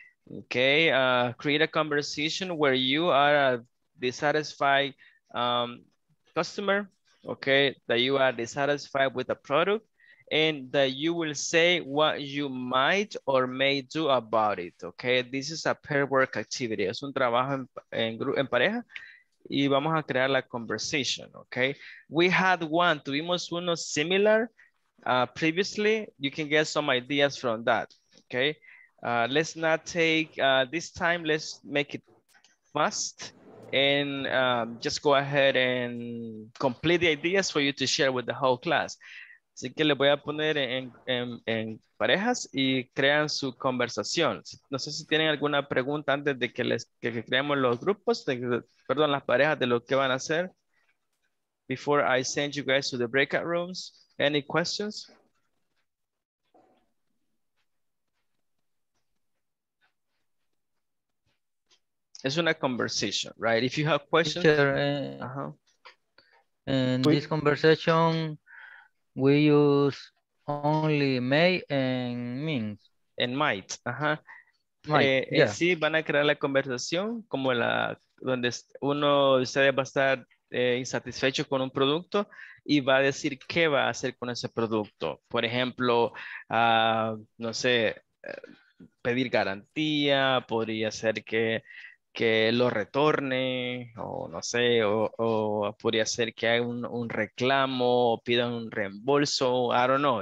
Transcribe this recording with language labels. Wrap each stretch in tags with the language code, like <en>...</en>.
<en>Okay, create a conversation where you are a dissatisfied customer, okay, that you are dissatisfied with a product and that you will say what you might or may do about it, okay? This is a pair work activity.</en> <es>Es un trabajo en pareja y vamos a crear la conversation, okay?</es> <en>We had one,</en> <es>tuvimos uno similar</es> <en>previously. You can get some ideas from that, okay? Let's not take this time, let's make it fast and just go ahead and complete the ideas for you to share with the whole class.</en> <es>Así que les voy a poner en parejas y crean su conversación. No sé si tienen alguna pregunta antes de que creemos los grupos, perdón, las parejas de lo que van a hacer.</es> <en>Before I send you guys to the breakout rooms, any questions? It's a conversation, right? If you have questions. Teacher, this conversation, we use only may and means. And might, ajá. Might, yeah.</en> <es>Sí, van a crear la conversación como la donde uno de ustedes va a estar insatisfecho con un producto y va a decir qué va a hacer con ese producto. Por ejemplo, no sé, pedir garantía, podría ser que lo retorne, o no sé, o podría ser que haga un reclamo, o pida un reembolso,</es> <en>I don't know.</en>